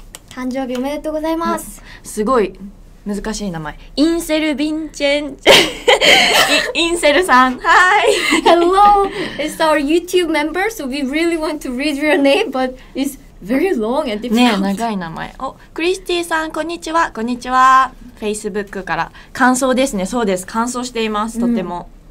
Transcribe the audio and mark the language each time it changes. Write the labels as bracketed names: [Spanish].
[Japanese] 誕生日おめでとうございます。すごい難しい名前。インセル・ヴィンチェン。インセルさん、はい。 [English] Hello! It's our YouTube member, so we really want to read your name, but it's very long and difficult. [Japanese] ね、長い名前。お、クリスティさん、こんにちは、こんにちは。 Facebook から。感想ですね、そうです。感想しています、とても。